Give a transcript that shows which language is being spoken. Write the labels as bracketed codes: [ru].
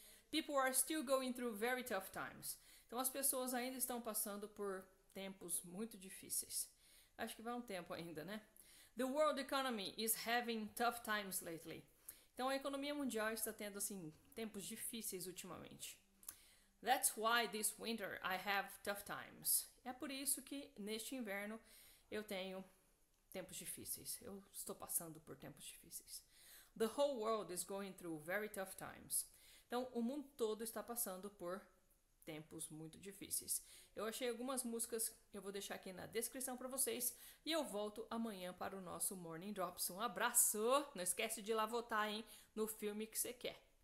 [en] People are still going through very tough times. [pt] Então, as pessoas ainda estão passando por tempos muito difíceis. Acho que vai um tempo ainda, né? [en] The world economy is having tough times lately. [pt] Então, a economia mundial está tendo, assim, tempos difíceis ultimamente. [en] That's why this winter I have tough times. [pt] É por isso que neste inverno eu tenho tempos difíceis. Eu estou passando por tempos difíceis. [en] The whole world is going through very tough times. [pt] Então, o mundo todo está passando por tempos muito difíceis. Eu achei algumas músicas, eu vou deixar aqui na descrição para vocês. E eu volto amanhã para o nosso Morning Drops. Um abraço! Não esquece de ir lá votar, hein, no filme que você quer.